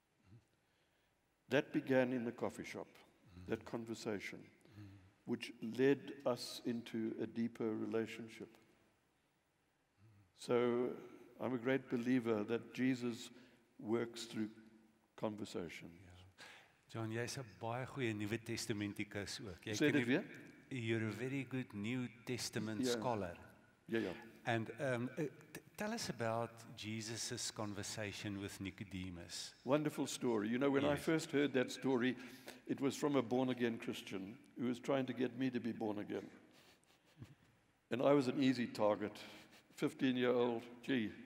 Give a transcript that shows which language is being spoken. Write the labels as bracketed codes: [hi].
[en] Mm-hmm. That began in the coffee shop. That conversation, which led us into a deeper relationship. So I'm a great believer that Jesus works through conversation. Yeah. [af] John, jy is 'n baie goeie Nuwe Testamentikus ook. Jy sê dit weer? [en] You're a very good New Testament scholar. Yeah, yeah. And tell us about Jesus' conversation with Nicodemus. Wonderful story. You know, when I first heard that story, it was from a born-again Christian who was trying to get me to be born again. And I was an easy target, 15-year-old, gee,